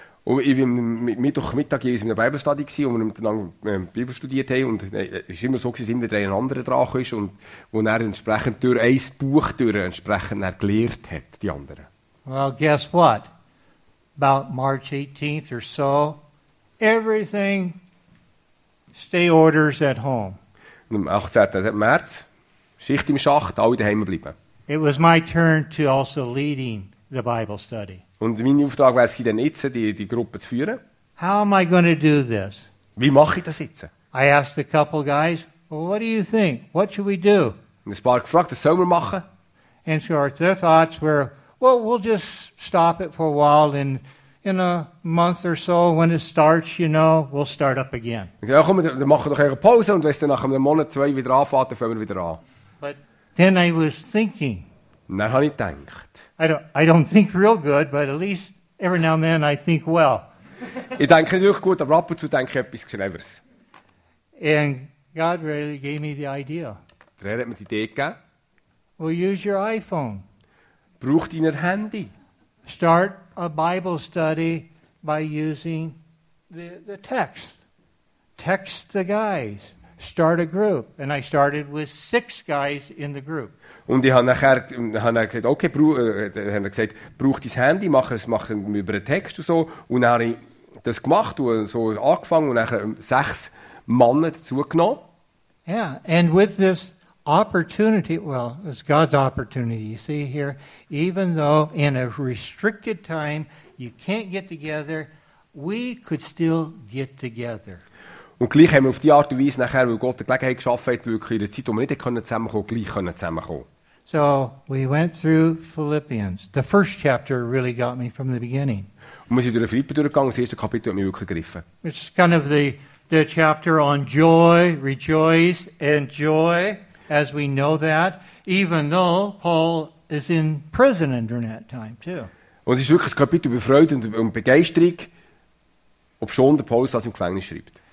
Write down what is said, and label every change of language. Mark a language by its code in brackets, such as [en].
[de] Und ich war Mittwochmittag in einer Bibelstudie, wo wir miteinander Bibel studiert haben. Und es war immer so, dass immer ein anderer dran ist und wo er entsprechend durch ein Buch durch entsprechend gelehrt hat, die anderen. [en] Well, guess what? About March 18th or so, everything stay orders at home. [de] Am 18. März, Schicht im Schacht, alle daheim bleiben. [en] It was my turn to also leading the Bible study. [de] Und mein Auftrag war es, dann jetzt die Gruppe zu führen. [en] How am I going to do this? [de] Wie mache ich das jetzt? [en] I asked a couple guys, well, what do you think? What should we do? [de] Und ein paar gefragt, was sollen wir machen? [en] And so their thoughts were, well, we'll just stop it for a while and in a month or so when it starts, you know, we'll start up again. [de] Ja, komm, wir machen doch eine Pause und wenn es dann nach einem Monat, zwei wieder anfängt, dann fangen wir wieder an. [en] But then I was thinking. [de] Dann habe ich gedacht. [en] I don't think real good, but at least every now and then I think well. [de] Ich denke nicht gut, aber ab und zu denke ich etwas Cleveres. [en] And God really gave me the idea. [de] Der Herr hat mir die Idee gegeben. [en] Well, use your iPhone. [de] Brauch dein Handy. [en] Start a Bible study by using the text. Text the guys. Start a group. And I started with 6 guys in the group. [de] Und ich habe gesagt, okay, brauch dein Handy, mach über den Text und so. Und dann habe ich das gemacht und so angefangen und dann 6 Männer dazu genommen. [en] Yeah, and with this opportunity, well, it's God's opportunity, you see here, even though in a restricted time you can't get together, we could still get together. [de] Und gleich haben wir auf die Art und Weise nachher, weil Gott die Gelegenheit geschaffen hat, wirklich in der Zeit, wo wir nicht zusammenkommen konnten, gleich zusammenkommen. [en] So we went through Philippians. The first chapter really got me from the beginning. It's kind of the chapter on joy, rejoice, and joy, as we know that, even though Paul is in prison during that time too. [de] Und es ist wirklich ein Kapitel über Freude und Begeisterung, obschon der Paulus das im Gefängnis schreibt.